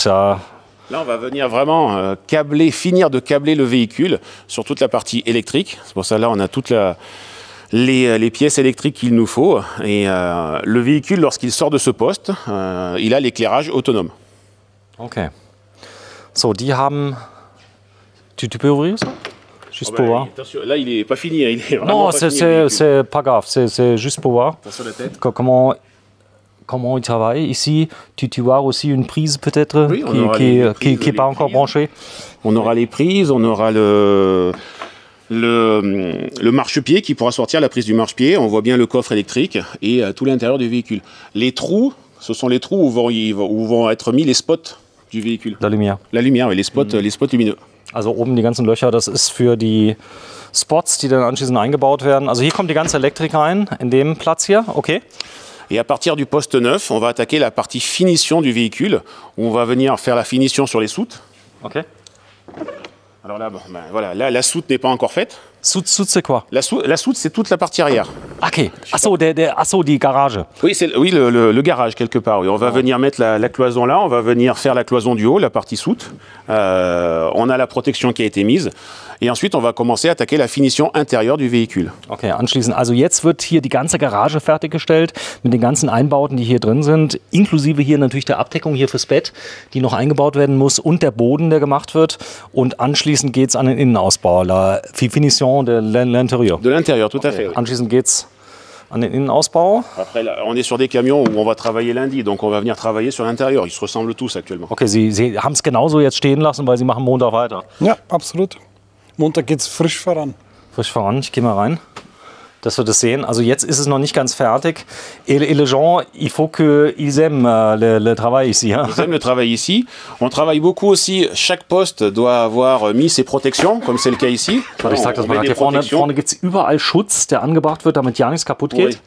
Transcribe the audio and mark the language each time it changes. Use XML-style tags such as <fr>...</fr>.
<fr>Là, on va venir vraiment finir de câbler le véhicule sur toute la partie électrique. C'est pour ça là, on a toutes les pièces électriques qu'il nous faut. Et le véhicule, lorsqu'il sort de ce poste, il a l'éclairage autonome. Ok.</fr> <de>So, die haben...</de> <fr>Tu peux ouvrir ça? Juste pour voir. Là, il n'est pas fini. Il est non, pas c'est, fini, c'est pas grave. C'est juste pour voir. Attention la tête. Comment ils travaillent ici? Tu vois aussi une prise peut-être qui n'est pas encore branchée. On aura les prises, on aura le marchepied qui pourra sortir la prise du marchepied. On voit bien le coffre électrique et tout l'intérieur du véhicule. Les trous, ce sont les trous où vont être mis les spots du véhicule. La lumière. La lumière, oui, les spots lumineux.</fr> <de>Also oben die ganzen Löcher, das ist für die Spots, die dann anschließend eingebaut werden. Also hier kommt die ganze Elektrik rein, in dem Platz hier, okay.</de> <fr>Et à partir du poste 9, on va attaquer la partie finition du véhicule. On va venir faire la finition sur les soutes. Ok. Alors là, bon, ben voilà, là, la soute n'est pas encore faite. Soute, c'est quoi? La soute, c'est toute la partie arrière.</fr> <de>Ok. Asso, die garage.</de> <fr>Oui, c'est le garage, quelque part. Oui. On va venir mettre la cloison là. On va venir faire la cloison du haut, la partie soute. On a la protection qui a été mise. Et ensuite, on va commencer à attaquer la finition intérieure du véhicule.</fr> <de>Ok, anschließend. Also, jetzt wird hier die ganze Garage fertiggestellt, mit den ganzen Einbauten, die hier drin sind, inklusive hier natürlich der Abdeckung hier fürs Bett, die noch eingebaut werden muss, und der Boden, der gemacht wird. Und anschließend geht es an den Innenausbau,</de> <fr>la finition de l'intérieur. De l'intérieur, tout à fait.</fr> <de>Anschließend geht es an den Innenausbau.</de> <fr>Après, là, on est sur des camions où on va travailler lundi, donc on va venir travailler sur l'intérieur. Ils se ressemblent tous actuellement.</fr> <de>Ok, sie haben es genauso jetzt stehen lassen, weil sie machen Montag weiter. Ja, absolut. Montag geht es frisch voran. Frisch voran, ich gehe mal rein, dass wir das sehen. Also jetzt ist es noch nicht ganz fertig.</de> <fr>Et les gens, il faut qu'ils aiment le travail ici. Hein? Ils aiment le travail ici. On travaille beaucoup aussi. Chaque poste doit avoir mis ses protections, comme c'est le cas ici.</fr> <de>Alors, ich sage das mal gerade. Vorne gibt es überall Schutz, der angebracht wird, damit ja nichts kaputt geht.</de>